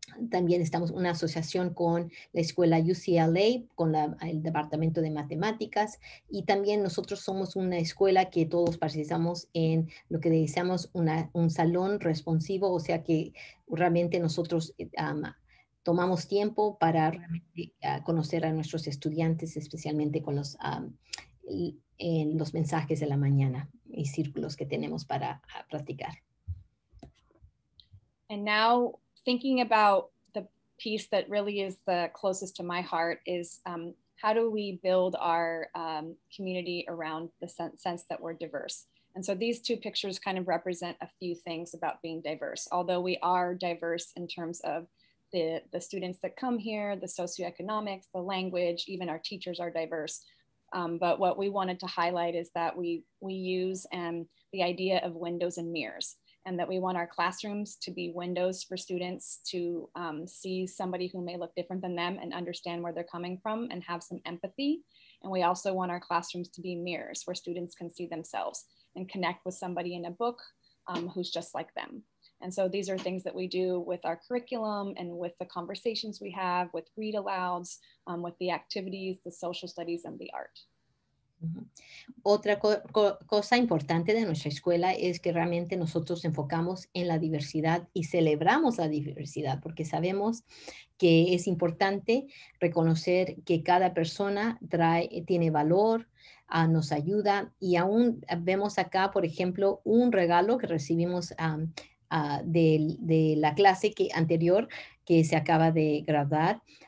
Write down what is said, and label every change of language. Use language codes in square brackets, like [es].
[es] también estamos en una asociación con la escuela UCLA, con el departamento de matemáticas, y también nosotros somos una escuela que todos participamos en lo que decíamos un salón responsivo, o sea que realmente nosotros tomamos tiempo para conocer a nuestros estudiantes, especialmente con los mensajes de la mañana y círculos que tenemos para practicar. [en] And now, thinking about the piece that really is the closest to my heart is how do we build our community around the sense that we're diverse? And so these two pictures kind of represent a few things about being diverse. Although we are diverse in terms of the students that come here, the socioeconomics, the language, even our teachers are diverse. But what we wanted to highlight is that we use the idea of windows and mirrors, and that we want our classrooms to be windows for students to see somebody who may look different than them and understand where they're coming from and have some empathy. And we also want our classrooms to be mirrors where students can see themselves and connect with somebody in a book who's just like them. And so these are things that we do with our curriculum and with the conversations we have, with read alouds, with the activities, the social studies and the art. [es] Otra cosa importante de nuestra escuela es que realmente nosotros enfocamos en la diversidad y celebramos la diversidad, porque sabemos que es importante reconocer que cada persona tiene valor, nos ayuda, y aún vemos acá, por ejemplo, un regalo que recibimos de la clase anterior que se acaba de graduar.